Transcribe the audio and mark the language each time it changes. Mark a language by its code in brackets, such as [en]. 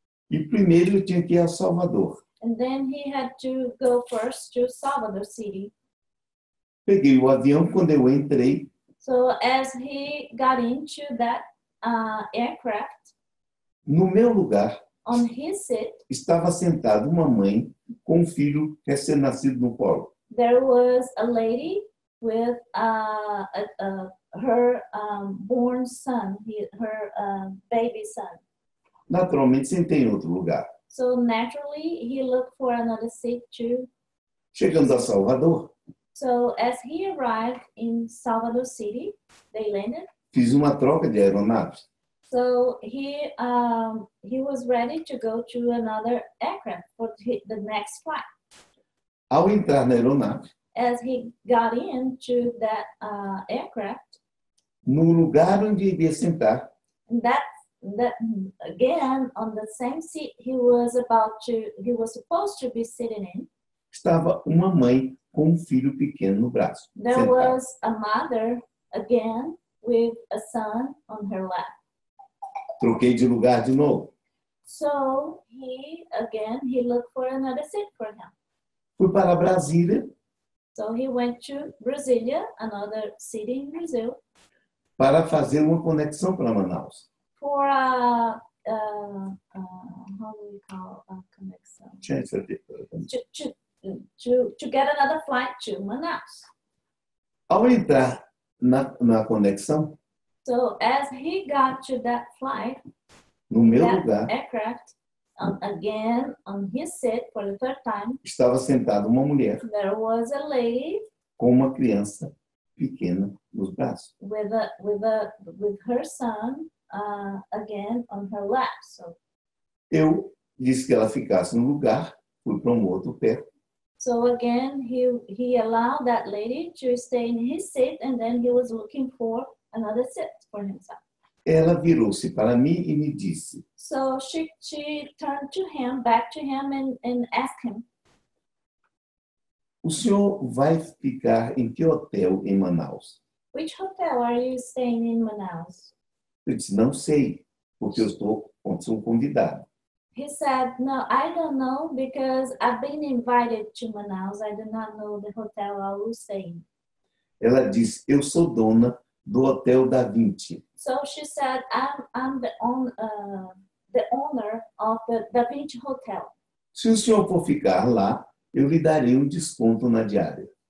[pt] E primeiro eu tinha que ir a Salvador. [en] And then he had to go first to Salvador City. [pt] Peguei o avião quando eu entrei. [en] So as he got into that aircraft. [pt] No meu lugar. [en] On his seat. [pt] Estava sentada uma mãe com um filho recém-nascido no colo. [en] There was a lady with her born son, her baby son. [pt] Naturalmente sentei em outro lugar. [en] So naturally he looked for another seat too. [pt] Chegamos a Salvador. [en] So as he arrived in Salvador City, they landed. [pt] Fiz uma troca de aeronaves. [en] So he was ready to go to another aircraft for the next flight. [pt] Ao entrar na aeronave. [en] As he got into that aircraft. [pt] No lugar onde ele ia sentar. [en] That again on the same seat he was supposed to be sitting in. [pt] Estava uma mãe com filho pequeno no braço. [en] There was a mother again with a son on her lap. [pt] Troquei de lugar de novo. [en] So he looked for another seat for him. [pt] Fui para Brasília. [en] So he went to Brasília, another city in Brazil. [pt] Para fazer uma conexão para Manaus. [en] For a how do we call a connection? To get another flight to Manaus. [pt] Ao entrar na conexão. [en] So as he got to that flight, [pt] no meu lugar, [en] aircraft, again on his seat for the third time, [pt] estava sentada uma mulher. [en] There was a lady [pt] com uma criança pequena nos braços. [en] With her son again on her lap. So [pt] eu disse que ela ficasse no lugar, fui para outro pé. [en] So again he allowed that lady to stay in his seat and then he was looking for another seat for himself. [pt] Ela virou-se para mim e me disse. [en] So she turned to him, back to him and asked him. [pt] O senhor vai ficar em que hotel em Manaus? [en] Which hotel are you staying in Manaus? [pt] Eu disse, não sei, porque eu estou com um convidado. [en] He said, no, I don't know because I've been invited to Manaus. I do not know the hotel I will stay in. [pt] Ela disse, eu sou dona do Hotel Da Vinci. [en] So she said, I'm the owner of the Da Vinci Hotel. [pt] Se o senhor for ficar lá, eu lhe darei um desconto na diária.